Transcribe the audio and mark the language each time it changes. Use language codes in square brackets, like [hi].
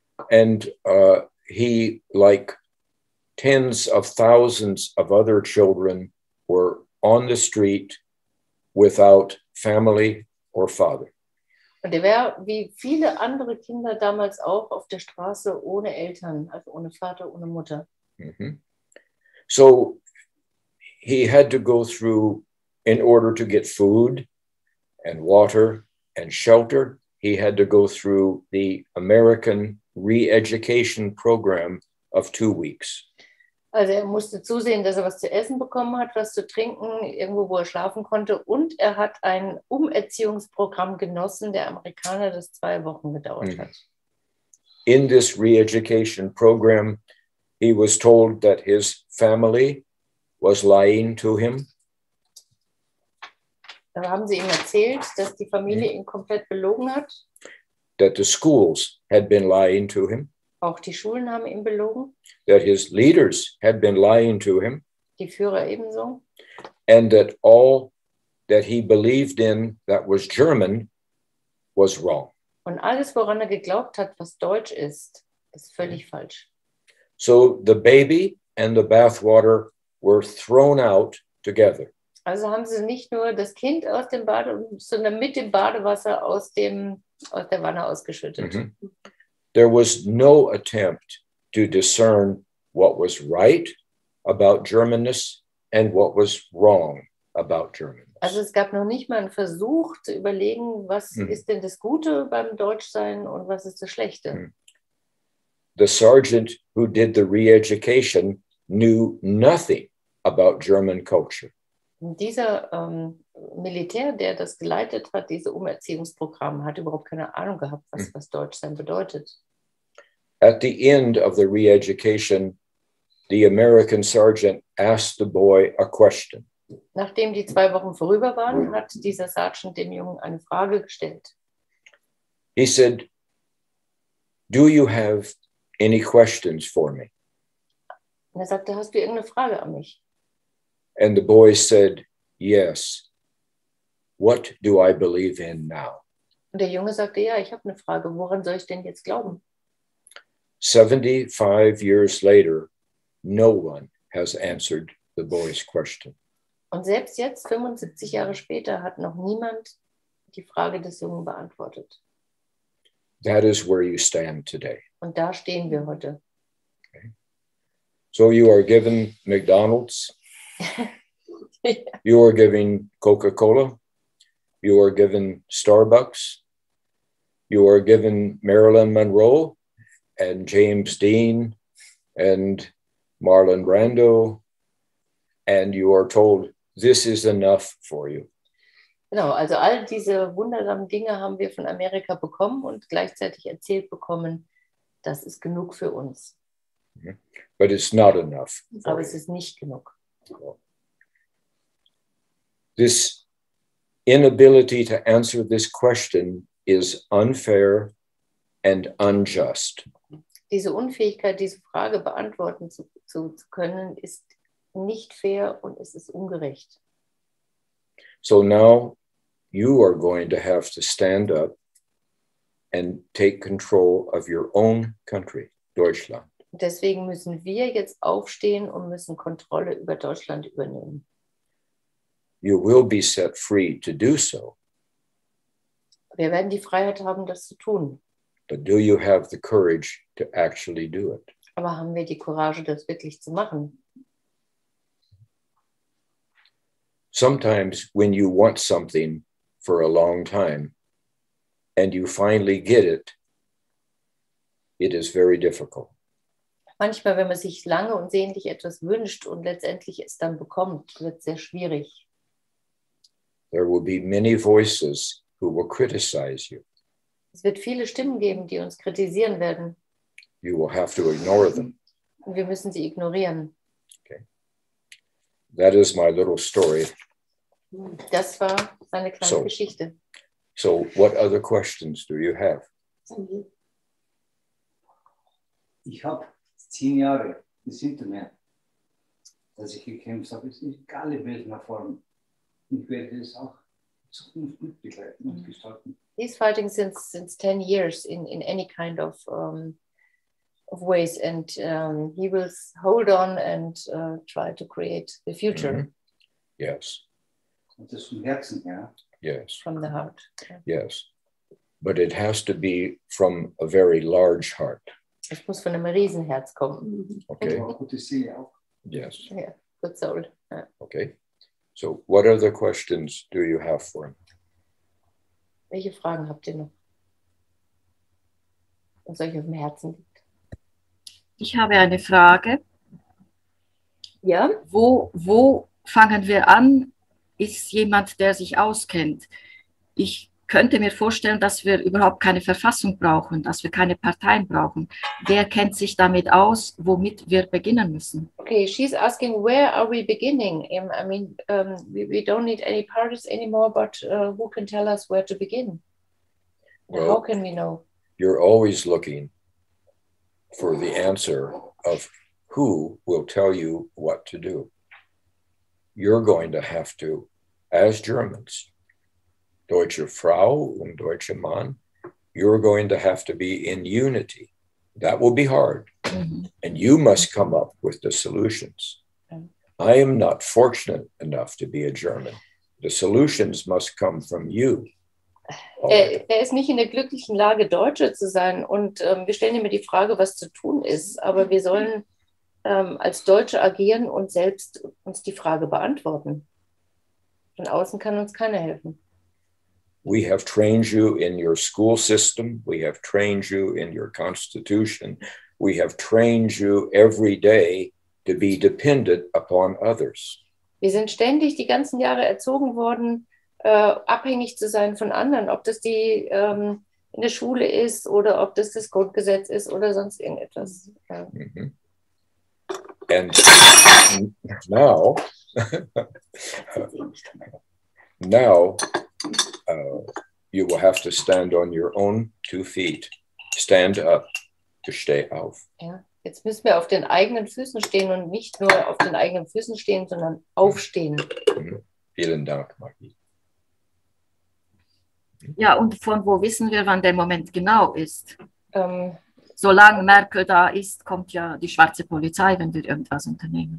[en] And he, like tens of thousands of other children, were on the street without family or father. [de] Und er wäre wie viele andere Kinder damals auch auf der Straße ohne Eltern, also ohne Vater, ohne Mutter. Mm-hmm. [en] So he had to go through, in order to get food and water and shelter, he had to go through the American re-education program of 2 weeks. [de] Also er musste zusehen, dass er was zu essen bekommen hat, was zu trinken, irgendwo, wo er schlafen konnte. Und er hat ein Umerziehungsprogramm genossen, der Amerikaner, das 2 Wochen gedauert hat. [en] In this re-education program, he was told that his family was lying to him. [de] Da haben sie ihm erzählt, dass die Familie ihn komplett belogen hat. [en] That the schools had been lying to him. [de] Auch die Schulen haben ihn belogen. [en] That his leaders had been lying to him. [de] Die Führer ebenso. [en] And that all that he believed in that was German was wrong. [de] Und alles, woran er geglaubt hat, was deutsch ist, ist völlig falsch. [en] So the baby and the bathwater were thrown out together. [de] Also haben sie nicht nur das Kind aus dem Bad, sondern mit dem Badewasser aus der Wanne ausgeschüttet. Mm-hmm. [en] There was no attempt to discern what was right about Germanness and what was wrong about Germanness. [de] Also es gab noch nicht mal einen Versuch zu überlegen, was ist denn das Gute beim Deutschsein und was ist das Schlechte. [en] The sergeant who did the re-education knew nothing about German culture. [de] Dieser Militär, der das geleitet hat, diese Umerziehungsprogramm, hat überhaupt keine Ahnung gehabt, was Deutschsein bedeutet. [en] At the end of the re-education, the American sergeant asked the boy a question. [de] Nachdem die 2 Wochen vorüber waren, hat dieser Sergeant dem Jungen eine Frage gestellt. [en] He said, "Do you have any questions for me?" [de] Und er sagte, hast du irgendeine Frage an mich? [en] And the boy said, "Yes. What do I believe in now?" [de] Und der Junge sagte, ja, ich habe eine Frage. Woran soll ich denn jetzt glauben? [en] 75 years later, no one has answered the boy's question. [de] Und selbst jetzt, 75 Jahre später, hat noch niemand die Frage des Jungen beantwortet. [en] That is where you stand today. [de] Und da stehen wir heute. Okay. [en] So you are given McDonald's. You are given Coca-Cola. You are given Starbucks. You are given Marilyn Monroe and James Dean and Marlon Brando, and you are told, this is enough for you. [de] Genau, also all diese wundersamen Dinge haben wir von Amerika bekommen und gleichzeitig erzählt bekommen, das ist genug für uns. [en] But it's not enough. [de] Aber es ist nicht genug. [en] This inability to answer this question is unfair and unjust. [de] Diese Unfähigkeit, diese Frage beantworten zu können, ist nicht fair und es ist ungerecht. [en] So now you are going to have to stand up and take control of your own country, Deutschland. [de] Deswegen müssen wir jetzt aufstehen und müssen Kontrolle über Deutschland übernehmen. [en] You will be set free to do so. [de] Wir werden die Freiheit haben, das zu tun. [en] But do you have the courage to actually do it? [de] Aber haben wir die Courage, das wirklich zu machen? [en] Sometimes when you want something for a long time and you finally get it, it is very difficult. [de] Manchmal, wenn man sich lange und sehnlich etwas wünscht und letztendlich es dann bekommt, wird es sehr schwierig. [en] There will be many voices who will criticize you. [de] Es wird viele Stimmen geben, die uns kritisieren werden. [en] You will have to ignore them. [de] Und wir müssen sie ignorieren. [en] Okay. That is my little story. [de] Das war meine kleine Geschichte. [en] So, what other questions do you have? [de] Ich habe 10 Jahre, es sind mehr, dass ich gekämpft habe, es ist egal in welcher Form. Ich werde es auch Zukunft mitbegleiten und gestalten. [en] He's fighting since 10 years in any kind of ways, and he will hold on and try to create the future. Mm-hmm. Yes. [de] Und das vom Herzen her. [en] Yes. From the heart. Yes. But it has to be from a very large heart. [de] Es muss von einem Riesenherz kommen. [en] Okay. Yes. Yeah. Good soul. Yeah. Okay. So what other questions do you have for him? [de] Welche Fragen habt ihr noch? Was euch auf dem Herzen liegt? Ich habe eine Frage. Ja? Wo fangen wir an? Ist jemand, der sich auskennt? Ich könnte mir vorstellen, dass wir überhaupt keine Verfassung brauchen, dass wir keine Parteien brauchen. Wer kennt sich damit aus, womit wir beginnen müssen? [en] Okay, she's asking, where are we beginning? I mean, we don't need any parties anymore, but who can tell us where to begin? Well, how can we know? You're always looking for the answer of who will tell you what to do. You're going to have to, as Germans, [de] Deutsche Frau und Deutsche Mann, [en] you're going to have to be in unity. That will be hard. Mm-hmm. And you must come up with the solutions. I am not fortunate enough to be a German. The solutions must come from you. [de] Er ist nicht in der glücklichen Lage, Deutscher zu sein. Und wir stellen immer die Frage, was zu tun ist. Aber wir sollen als Deutsche agieren und selbst uns die Frage beantworten. Von außen kann uns keiner helfen. [en] We have trained you in your school system. We have trained you in your constitution. We have trained you every day to be dependent upon others. [de] Wir sind ständig die ganzen Jahre erzogen worden, abhängig zu sein von anderen, ob das die in der Schule ist oder ob das das Grundgesetz ist oder sonst irgendetwas. Ja. [en] Mm-hmm. And now, now. You will have to stand on your own two feet. Stand up to stay [de] auf. Ja, jetzt müssen wir auf den eigenen Füßen stehen und nicht nur auf den eigenen Füßen stehen, sondern aufstehen. Vielen Dank, Marie. Ja, und von wo wissen wir, wann der Moment genau ist? Solange Merkel da ist, kommt ja die schwarze Polizei, wenn wir irgendwas unternehmen.